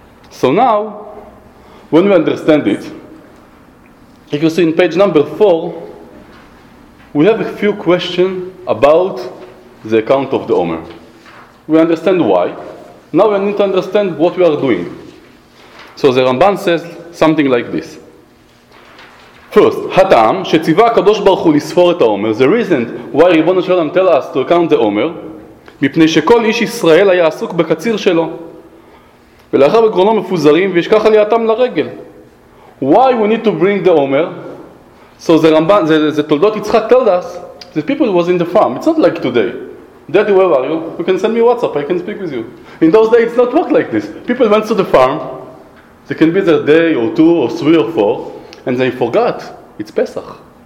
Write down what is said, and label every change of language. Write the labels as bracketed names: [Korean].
[English] So now, when we understand it, if you see in page number 4, we have a few questions about the account of the Omer. We understand why. Now we need to understand what we are doing. So the Ramban says something like this. [Hebrew] First, Hatam, Shetziva Kadosh Baruch Hu Lisfor Et HaOmer. [English] The reason why Ribono Shel Olam tell us to count the Omer, [Hebrew] מפני שכל איש ישראל היה עסוק בקציר שלו, ולאחר בגרונו מפוזרים, וישכח עלייתם לרגל. [English] Why we need to bring the Omer? So the Ramban, the Toldot Yitzchak told us, the people was in the farm. It's not like today. Daddy, where are you? You can send me WhatsApp, I can speak with you. In those days, it's not work like this. People went to the farm, they can be there a day or two or three or four, and they forgot, it's Pesach.